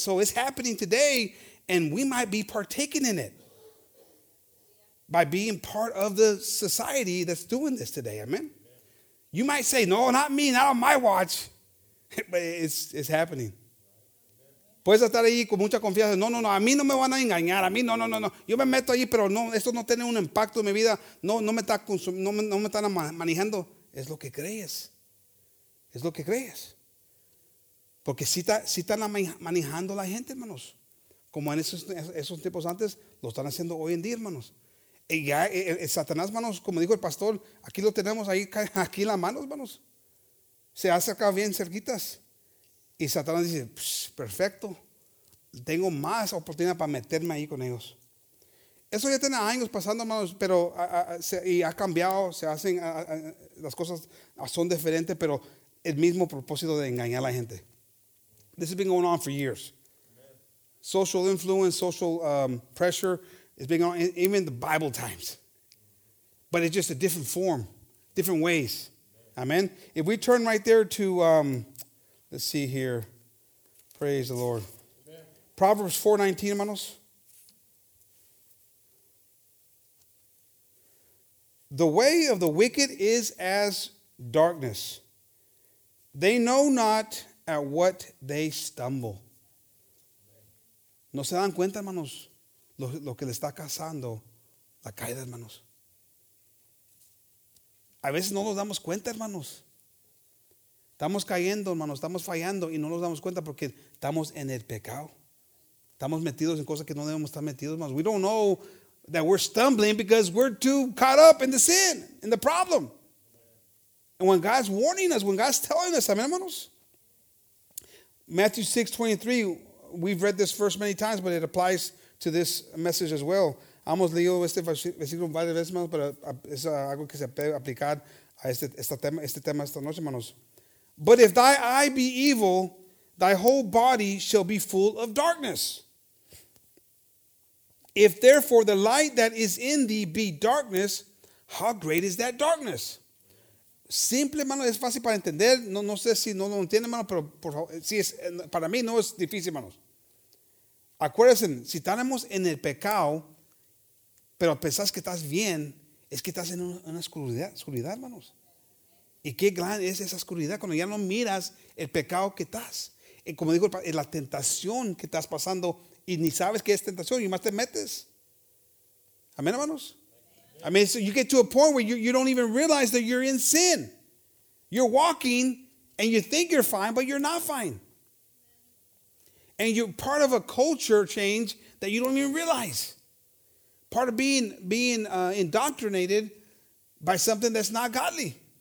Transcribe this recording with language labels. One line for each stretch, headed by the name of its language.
English: So it's happening today, and we might be partaking in it by being part of the society that's doing this today. Amen. You might say, no, not me, not on my watch. But it's happening.
Spanish: Puedes estar ahí con mucha confianza. No, no, no, a mí no me van a engañar. A mí no, no, no, no. Yo me meto ahí, pero no, esto no tiene un impacto en mi vida. No, no me está consumiendo, no me están manejando. Es lo que crees. Es lo que crees. Porque si están manejando la gente, hermanos. Como en esos tiempos antes, lo están haciendo hoy en día, hermanos. Y ya el Satanás, hermanos, como dijo el pastor, aquí lo tenemos ahí, aquí en las manos, hermanos. Se ha acercado bien cerquitas. Y Satanás dice, perfecto. Tengo más oportunidad para meterme ahí con ellos. Eso ya tiene años pasando, hermanos, pero y ha cambiado. Se hacen las cosas, son diferentes, pero el mismo propósito de engañar a la gente.
English: This has been going on for years. Social influence, social pressure has been going on, even the Bible times. But it's just a different form, different ways. Amen. If we turn right there to, let's see here. Praise the Lord. Proverbs 4:19, hermanos. The way of the wicked is as darkness. They know not at what they stumble.
Spanish: No se dan cuenta, hermanos, lo que le está causando la caída, hermanos. A veces no nos damos cuenta, hermanos. Estamos cayendo, hermanos, estamos fallando y no nos damos cuenta porque estamos en el pecado. Estamos metidos en cosas que no debemos estar metidos, hermanos.
English: We don't know that we're stumbling because we're too caught up in the sin, in the problem. And when God's warning us, when God's telling us, amen, hermanos. Matthew 6:23, we've read this verse many times, but it applies to this message as well.
Spanish: Hemos leído este versículo varias veces, hermanos, pero es algo que se puede aplicar a este tema esta noche, hermanos.
English: But if thy eye be evil, thy whole body shall be full of darkness. If therefore the light that is in thee be darkness, how great is that darkness?
Spanish: Simple, hermano, es fácil para entender. No sé si no lo entiende, hermano, pero por favor, si es, para mí no es difícil, hermanos. Acuérdense, si estamos en el pecado, pero pensás que estás bien, es que estás en una oscuridad, hermanos. Y qué grande es esa oscuridad cuando ya no miras el pecado que estás. Y como digo, la tentación que estás pasando y ni sabes que es tentación y más te metes. Amén, hermanos.
English: I mean, so you get to a point where you don't even realize that you're in sin. You're walking and you think you're fine, but you're not fine. And you're part of a culture change that you don't even realize. Part of being indoctrinated by something that's not godly.